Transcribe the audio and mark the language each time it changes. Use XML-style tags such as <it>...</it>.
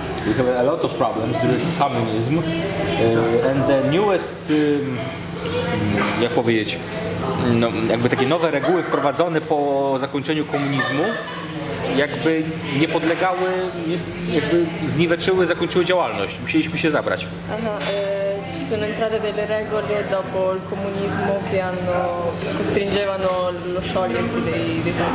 <en>We have a lot of problems with communism. And the newest...</en> <pl>jak powiedzieć... No, jakby takie nowe reguły wprowadzone po zakończeniu komunizmu jakby nie podlegały, jakby zniweczyły, zakończyły działalność. Musieliśmy się zabrać.</pl> <it>Aha, ci sono entrate delle regole dopo il comunismo che hanno costringevano lo sciogliersi dei</it>